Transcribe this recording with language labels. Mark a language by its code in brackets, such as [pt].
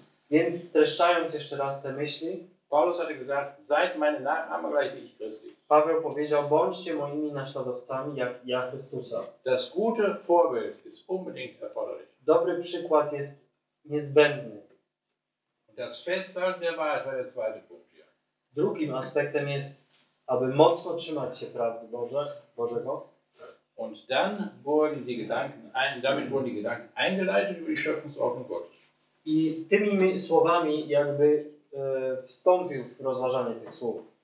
[pl] Więc streszczając jeszcze raz te myśli, [de] Paulus hatte gesagt, seid meine Nachahmer gleich wie ich Christi. [pl] Paweł powiedział, bądźcie moimi naśladowcami jak ja Chrystusa. [de] Das gute Vorbild ist unbedingt erforderlich. [pl] Dobry przykład jest niezbędny. [de] Das Festhalten der Wahrheit war der zweite Punkt hier. [pl] Drugim aspektem jest, aby mocno trzymać się prawdy Bożego. [de] Und dann wurden die Gedanken, damit wurden die Gedanken eingeleitet über die Schöpfungsordnung Gottes. [pl] I tymi słowami jakby wstąpił w rozważanie tych słów.